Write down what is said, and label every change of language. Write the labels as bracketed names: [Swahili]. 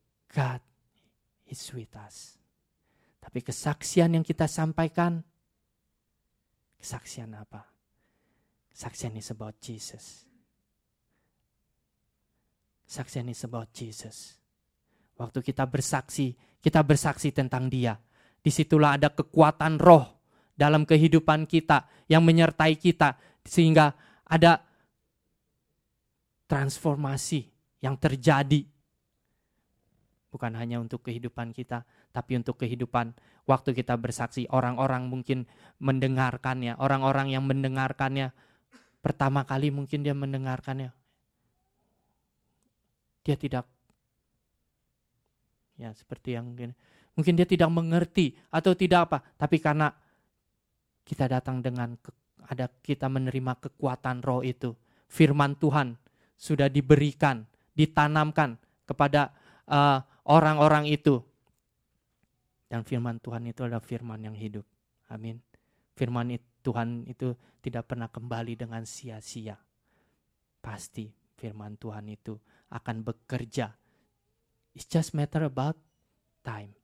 [English] God is with us. [Indonesian] Tapi kesaksian yang kita sampaikan, kesaksian apa? [English] Kesaksian is about Jesus. Kesaksian is about Jesus. [Indonesian] Waktu kita bersaksi tentang Dia. Disitulah ada kekuatan Roh dalam kehidupan kita yang menyertai kita sehingga ada transformasi yang terjadi. Bukan hanya untuk kehidupan kita, tapi untuk kehidupan waktu kita bersaksi. Orang-orang mungkin mendengarkannya, orang-orang yang mendengarkannya, pertama kali mungkin dia mendengarkannya. Dia tidak, ya seperti yang mungkin, mungkin dia tidak mengerti atau tidak apa, tapi karena kita datang dengan, ada kita menerima kekuatan Roh itu, firman Tuhan sudah diberikan, ditanamkan kepada orang-orang itu. Dan firman Tuhan itu adalah firman yang hidup. Amin. Firman Tuhan itu tidak pernah kembali dengan sia-sia. Pasti firman Tuhan itu akan bekerja. [English] It's just matter about time.